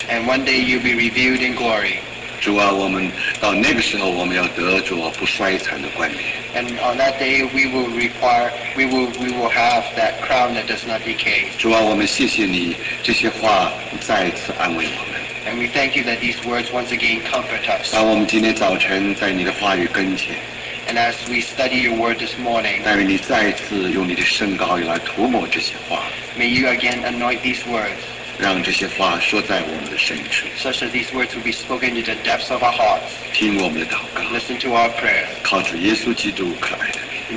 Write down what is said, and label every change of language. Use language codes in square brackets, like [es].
[en] And one day you'll be revealed in glory. [zh] 主啊，我们到那个时候，我们要得着不衰残的冠冕。 [en] And on that day we will have that crown that does not decay. [zh] 主啊，我们谢谢你这些话再次安慰我们。 [en] And we thank you that these words once again comfort us. [zh] 让我们今天早晨在你的话语跟前。 [en] And as we study your word this morning, [zh] 带领你再次用你的圣膏来涂抹这些话。 [en] May you again anoint these words. [zh] 让这些话说在我们的深处。 [en] Such that these words will be spoken in the depths of our hearts. [zh] 听我们的祷告。 [en] Listen to our prayer. [zh] 靠主耶稣基督可爱的名。